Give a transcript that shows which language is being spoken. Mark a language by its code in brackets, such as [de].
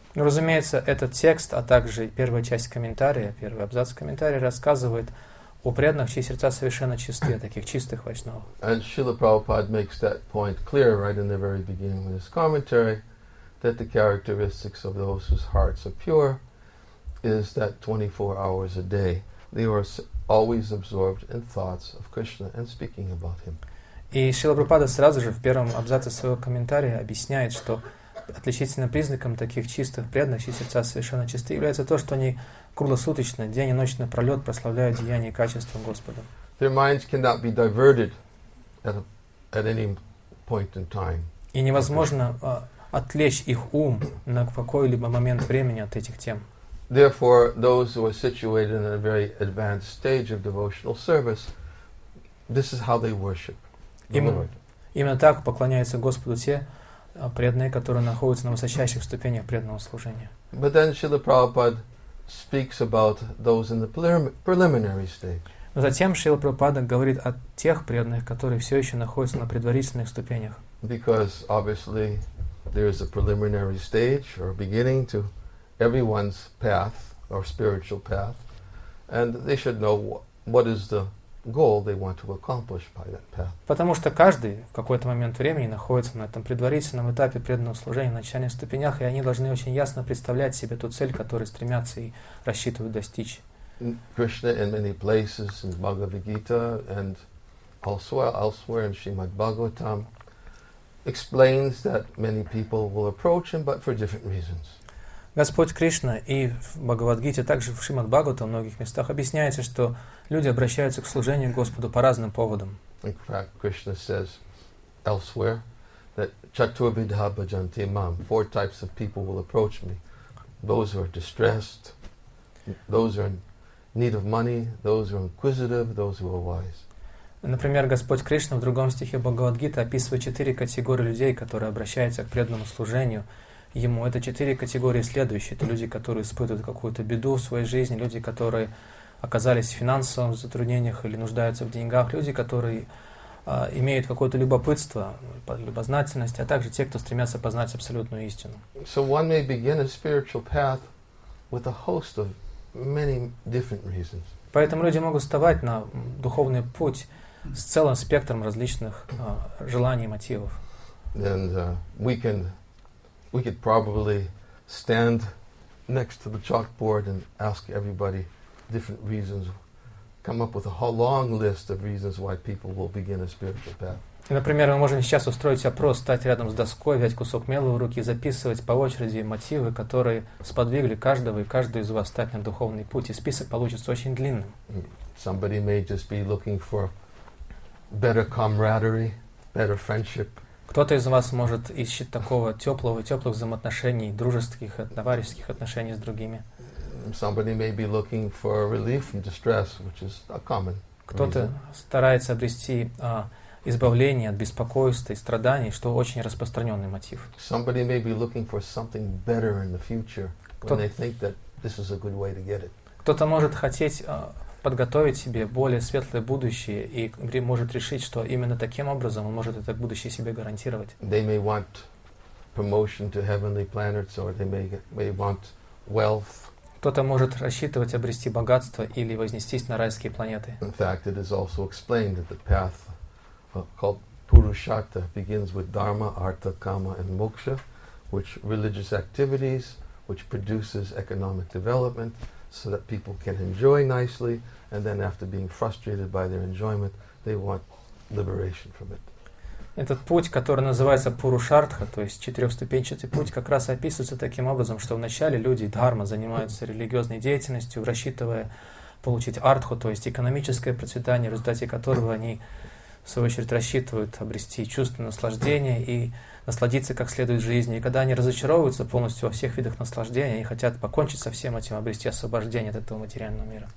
[ru] Ну, разумеется, этот текст, а также первая часть комментария, первый абзац комментария рассказывает о преданных, чьи сердца совершенно чисты, таких чистых вайшнав. [en] And Srila Prabhupada makes that point clear right in the very beginning of his commentary, that the characteristics of those whose hearts are pure is that 24 hours a day they are always absorbed in thoughts of Krishna and speaking about him. [ru] И Шрила Прабхупада сразу же в первом абзаце своего комментария объясняет, что отличительным признаком таких чистых преданных, чьи сердца совершенно чисты, является то, что они круглосуточно, день и ночь напролет прославляют деяния и качества Господа. [en] Their minds cannot be diverted at any point in time. [ru] И невозможно отвлечь их ум на какой-либо момент времени от этих тем. [en] Therefore, those who are situated in a very advanced stage of devotional service, this is how they worship the Lord. [ru] Именно так поклоняются Господу те преданные, которые находятся на высочайших ступенях преданного служения. [en] But then Srila Prabhupada speaks about those in the preliminary stage. [ru] Но затем Шрила Прабхупада говорит о тех преданных, которые все еще находятся на предварительных ступенях. [en] Because obviously there is a preliminary stage or beginning to everyone's path or spiritual path, and they should know what is the goal they want to accomplish by that path. [ru] Потому что каждый в какой-то момент времени находится на этом предварительном этапе преданного служения, на начальных ступенях, и они должны очень ясно представлять себе ту цель, которую стремятся и рассчитывают достичь. [en] Krishna in many places in Bhagavad Gita and elsewhere in Srimad Bhagavatam explains that many people will approach him, but for different reasons. [ru] Господь Кришна и в Бхагавадгите, также в Шримад Бхагавате, в многих местах объясняется, что люди обращаются к служению Господу по разным поводам. [en] In fact, Krishna says elsewhere that [sa] chaturvidha bhajanti mam. [en] Four types of people will approach me. Those who are distressed, those who are in need of money, those who are inquisitive, those who are wise. [ru] Например, Господь Кришна в другом стихе Бхагавадгиты описывает четыре категории людей, которые обращаются к преданному служению Ему. Это четыре категории следующие. Это люди, которые испытывают какую-то беду в своей жизни, люди, которые оказались в финансовом затруднениях или нуждаются в деньгах, люди, которые имеют какое-то любопытство, любознательность, а также те, кто стремятся познать абсолютную истину. [en] So one may begin a spiritual path with a host of many different reasons. [ru] Поэтому люди могут вставать на духовный путь с целым спектром различных желаний и мотивов. [en] And we could probably stand next to the chalkboard and ask everybody different reasons, come up with a whole long list of reasons why people will begin a spiritual path. [ru] Например, мы можем сейчас устроить опрос, стать рядом с доской, взять кусок мела в руки и записывать по очереди мотивы, которые сподвигли каждого и каждую из вас стать на духовный путь. И список получится очень длинным. [en] Somebody may just be looking for better camaraderie, better friendship. [ru] Кто-то из вас может ищет такого теплого, теплых взаимоотношений, дружеских, товарищеских отношений с другими. [en] Somebody may be looking for relief from distress, which is a common. [ru] Кто-то старается обрести избавление от беспокойства и страданий, что очень распространенный мотив. [en] Somebody may be looking for something better in the future, when they think that this is a good way to get it. [ru] Кто-то может хотеть подготовить себе более светлое будущее и может решить, что именно таким образом он может это будущее себе гарантировать. [en] They may want promotion to heavenly planets, or they may want wealth. [ru] Кто-то может рассчитывать обрести богатство или вознестись на райские планеты. [en] In fact, it is also explained that the path called Purushartha begins with dharma, artha, kama, and moksha, which religious activities, which produces economic development, so that people can enjoy nicely, and then after being frustrated by their enjoyment, they want liberation from it. [ru] Этот путь, который называется Пурушартха, то есть четырехступенчатый путь, как раз описывается таким образом, что вначале люди дхарма занимаются религиозной деятельностью, рассчитывая получить артху, то есть экономическое процветание, в результате которого они, в свою очередь, рассчитывают обрести чувство наслаждения и насладиться как следует жизнью. И когда они разочаровываются полностью во всех видах наслаждения, они хотят покончить со всем этим, обрести освобождение от этого материального мира.